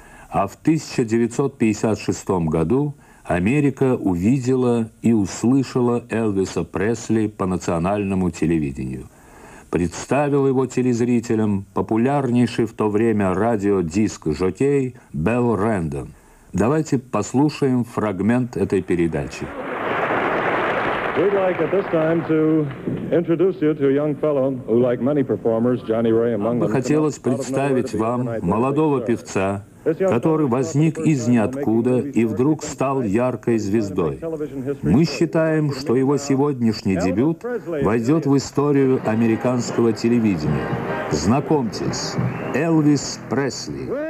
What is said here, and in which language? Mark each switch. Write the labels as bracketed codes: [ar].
[ru] А в 1956 году Америка увидела и услышала Элвиса Пресли по национальному телевидению. Представил его телезрителям популярнейший в то время радиодиск-жокей Белл Рэндон. Давайте послушаем фрагмент этой передачи. [en] We'd like at this time to introduce you to a young fellow who, like many performers, Johnny Ray among them. [ru] Хотелось представить вам молодого певца, который возник из ниоткуда и вдруг стал яркой звездой. Мы считаем, что его сегодняшний дебют войдет в историю американского телевидения. Знакомьтесь, Элвис Пресли.